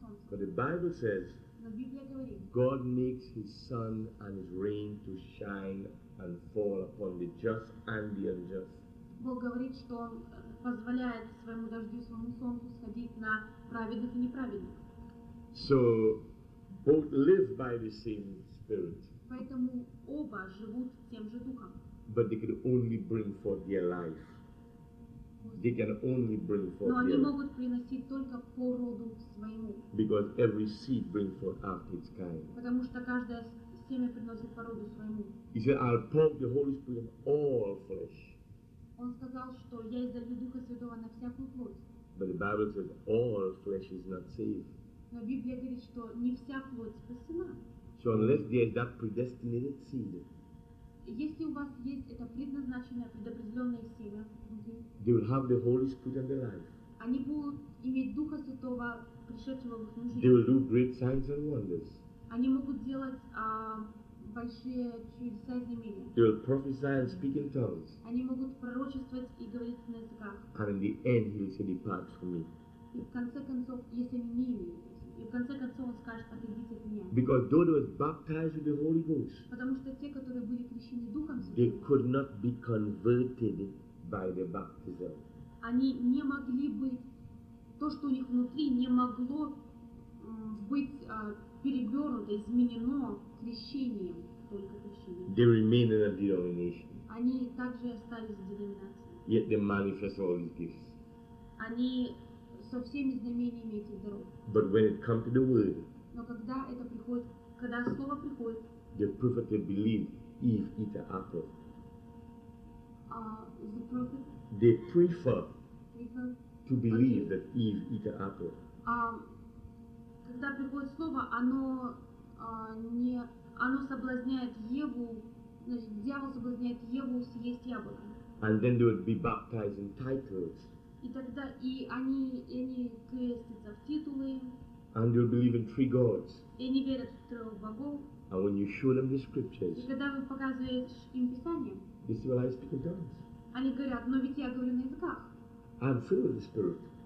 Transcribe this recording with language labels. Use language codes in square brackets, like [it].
[en] But the Bible says God makes his sun and his rain to shine and fall upon the just and the unjust. [ru] Бог говорит, что Он позволяет своему дождю, своему солнцу сходить на праведных и неправедных. [en] So, both live by the same spirit. [ru] Поэтому оба живут тем же духом. [en] But they can only bring forth their life. They can only bring forth their life. [ru] Но они могут приносить только по роду своему. [en] Because every seed brings forth after its kind. [ru] Потому что каждое семя приносит по роду своему. [en] He said, I'll pour the Holy Spirit on all flesh. [ru] Он сказал, что я изолью Духа Святого на всякую плоть. [en] But the Bible says all flesh is not saved. [ru] Но Библия говорит, что не вся плоть спасена. [en] So unless there is that predestinated seed, [ru] если у вас есть это предназначенное, предопределенное семя, [en] they will have the Holy Spirit and the life. [ru] Они будут иметь Духа Святого, пришедшего в их жизнь. [en] They will do great signs and wonders. [ru] Они могут делать большие чудеса и знамения. [en] They will prophesy and speak in tongues. [ru] Они могут пророчествовать и говорить на языках. [en] And in the end, he will say, depart from me. [ru] И в конце концов, если они не имеют, и в конце концов он скажет, отойдите от меня. [en] Because though they were baptized with the Holy Ghost, [ru] потому что те, которые были крещены Духом Святым, [en] they could not be converted by the baptism. [ru] Они не могли бы, то, что у них внутри, не могло быть перевернуто, изменено крещением, [en] They remain in a denomination. [ru] Они также остались в деноминации. [en] Yet they manifest all these gifts. [ru] Они со всеми знамениями этих даров. [en] But when it comes to the word, [ru] но когда это приходит, когда слово приходит, [en] they perfectly believe if eat an apple. The prophet. They prefer to believe that if eat an apple. [ru] Когда приходит слово, оно не оно соблазняет Еву, значит, дьявол соблазняет Еву съесть яблоко. [en] And then they would be baptized in titles. [ru] И тогда и они крестятся в титулы. [en] And they would believe in three gods. [ru] И они верят в трех богов. [en] And when you show them the scriptures. [ru] И когда вы показываете им Писание. [en] They say, well, I speak in tongues. [ru] Они говорят, но ведь я говорю на языках. [en] I'm filled with the Spirit.